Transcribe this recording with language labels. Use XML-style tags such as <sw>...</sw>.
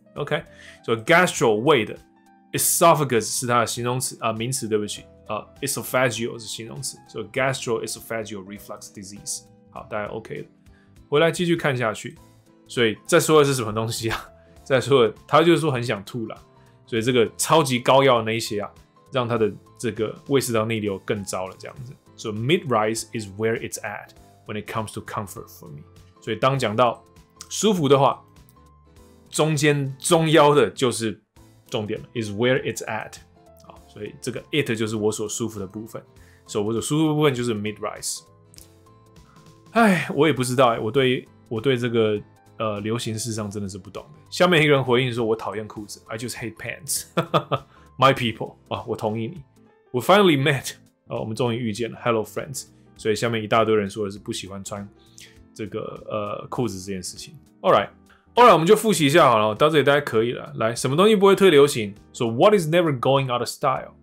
<zh>OK， 所以 gastro 胃的。Esophagus 是它的形容词、名词，对不起、esophageal 是形容词，所以 gastroesophageal reflux disease。好，大概 OK 了。回来继续看下去，所以再说的是什么东西啊？再说的，他就是说很想吐了，所以这个超级高药的那一些啊，让他的这个胃食道逆流更糟了，这样子。</zh> <en>So mid-rise is where it's at when it comes to comfort for me。</en> <zh>所以当讲到舒服的话，中间中腰的就是。重点了 ，</zh> <en>is where it's at，</en> <zh>所以这个 it 就是我所舒服的部分，所以我所舒服的部分就是 mid rise。哎，我也不知道、欸、我对这个、流行事上真的是不懂的。下面一个人回应说：“我讨厌裤子 ，</zh> <en>I just hate pants 。 ” My people、</en> <zh>啊、我同意你。</zh> <en>We finally met、</en> <zh>啊、我们终于遇见了 ，</zh> <en>Hello friends。</en> <zh>所以下面一大堆人说的是不喜欢穿这个裤子这件事情。</zh> <en>All right。</en> <zh>后来我们就复习一下好了，到这里大家可以了。来，什么东西不会退流行？</zh> <en>说、so、What is never going out of style?</en>